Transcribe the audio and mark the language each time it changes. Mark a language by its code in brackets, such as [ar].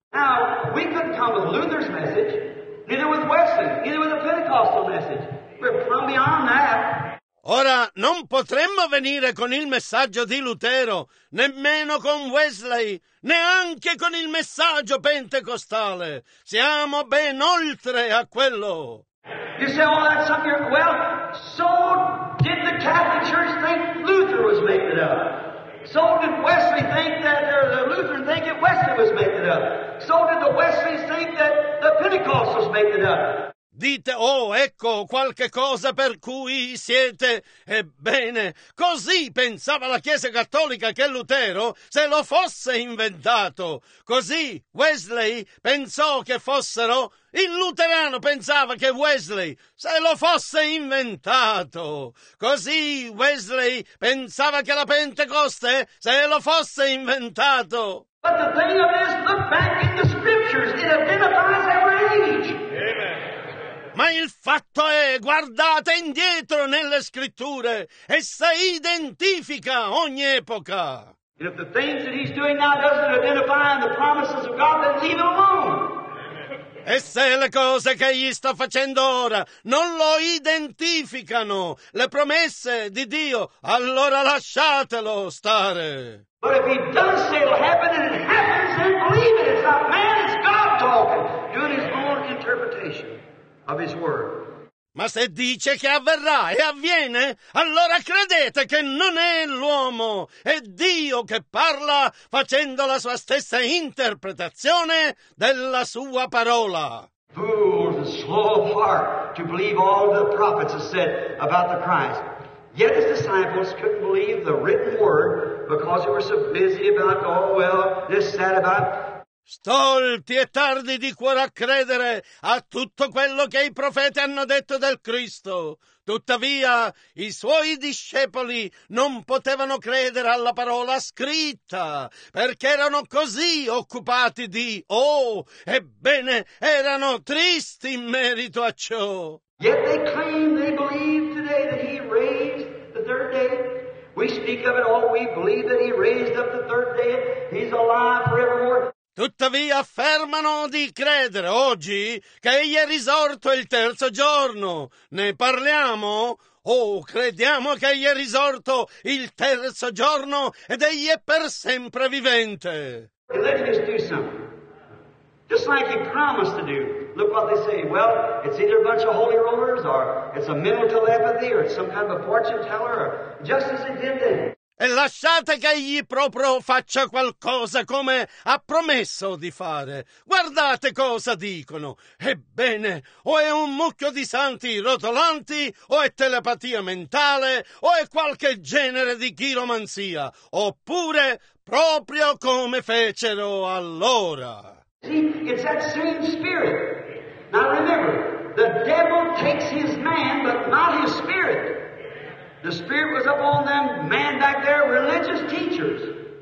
[en] Now, we couldn't come with Luther's message, neither with Wesley, neither with the Pentecostal message. We're from beyond that. [it] Ora, non potremmo venire con il messaggio di Lutero, nemmeno con Wesley, neanche con il messaggio pentecostale. Siamo ben oltre a quello. [en] You say, oh, that's something. Well, so did the Catholic Church think Luther was making it up. So did Wesley think that the Lutheran think that Wesley was making it up. So did the Wesleys think that the Pentecostals was making it up. [it] Dite, oh, ecco, qualche cosa per cui siete, ebbene, così pensava la Chiesa Cattolica che Lutero se lo fosse inventato. Così Wesley pensò che fossero, il luterano pensava che Wesley se lo fosse inventato. Così Wesley pensava che la Pentecoste se lo fosse inventato. [en] But the thing of this, look back in the scriptures, it identifies every age. Amen. [it] Ma il fatto è, guardate indietro nelle scritture, essa identifica ogni epoca. [en] And if the things that he's doing now doesn't identify the promises of God, then leave him alone. [it] E se le cose che gli sta facendo ora non lo identificano, le promesse di Dio, allora lasciatelo stare. [en] But if he does say it'll happen and it happens, then believe it. It's not man, it's God talking, doing his own interpretation. Of his word. [it] Ma se dice che avverrà e avviene, allora credete che non è l'uomo, è Dio che parla facendo la sua stessa interpretazione della sua parola. [en] Fools and slow of heart to believe all the prophets have said about the Christ. Yet his disciples couldn't believe the written word because they were so busy about, oh well, this, that, about. [it] Stolti e tardi di cuore a credere a tutto quello che i profeti hanno detto del Cristo. Tuttavia, i suoi discepoli non potevano credere alla parola scritta, perché erano così occupati di, oh, ebbene, erano tristi in merito a ciò. [en] Yet they claim they believe today that he raised the third day. We speak of it all, we believe that he raised up the third day. He's alive forevermore. [it] Tuttavia affermano di credere oggi che egli è risorto il terzo giorno. Ne parliamo? Oh, crediamo che egli è risorto il terzo giorno ed egli è per sempre vivente. [en] Let's just do something. Just Just like he promised to do. Look what they say. Well, it's either a bunch of holy rollers, or it's a mental telepathy, or it's some kind of a fortune teller, or just as he did then. [it] E lasciate che egli proprio faccia qualcosa come ha promesso di fare. Guardate cosa dicono. Ebbene, o è un mucchio di santi rotolanti, o è telepatia mentale, o è qualche genere di chiromanzia, oppure proprio come fecero allora. [en] See, it's that same spirit. Now remember, the devil takes his man, but not his spirit. The spirit was up on them, man back there, religious teachers.